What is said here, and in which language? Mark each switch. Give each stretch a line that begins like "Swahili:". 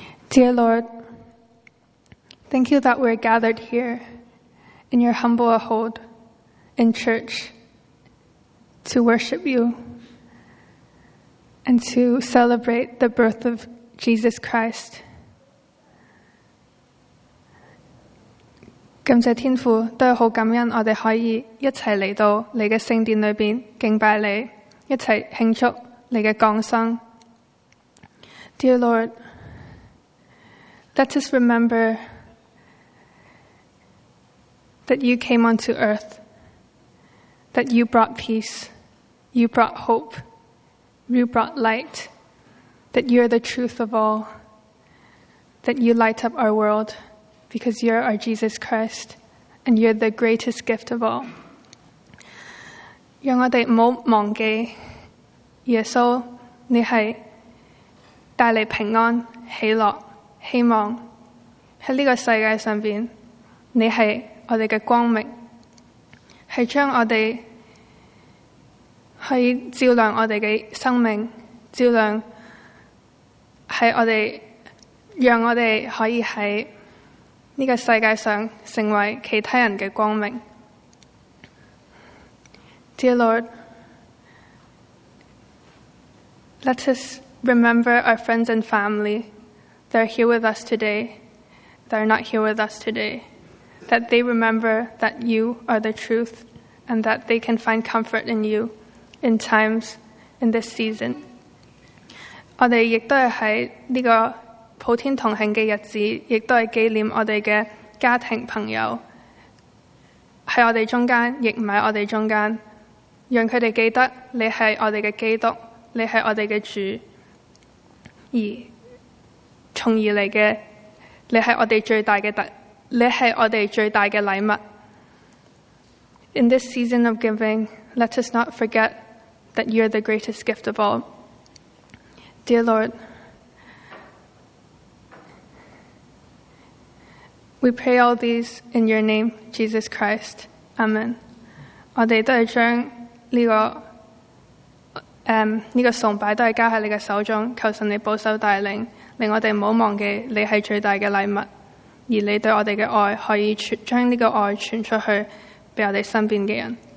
English: Dear Lord, thank you that we're gathered here in your humble abode in church to worship you and to celebrate the birth of Jesus Christ.
Chinese: 感谢天父，都好感恩我哋可以一起来到你的圣殿里面敬拜你，一起庆祝你的降生。
English: Dear Lord, let us remember that you came onto earth, that you brought peace, you brought hope, you brought light, that you are the truth of all, that you light up our world, because you are our Jesus Christ, and you are the greatest gift of all.
Chinese: 让我们不要忘记耶稣，你是带来平安、喜乐、希望。在这个世界上面，你是我们的光明，是将我们可以照亮我们的生命，照亮是我们，让我们可以在这个世界上成为其他人的光明。
English: Dear Lord, let us remember our friends and family that are here with us today, that are not here with us today, that they remember that you are the truth and that they can find comfort in you in times in this season.
Chinese: 我们也都是在这个普天同庆的日子，也都是纪念我们的家庭朋友，在我们中间也不是我们中间，让他们记得你是我们的基督，你是我们的主，而从而来的你是我们最大的你是我们最大的礼物。
English: In this season of giving, let us not forget that you are the greatest gift of all. Dear Lord, we pray all these in your name, Jesus Christ. Amen.
Chinese: 我们都是将这个崇拜都是交在你的手中，求神你保守带领，令我们不要忘记你是最大的礼物，而你对我们的爱可以将这个爱传出去给我们身边的人。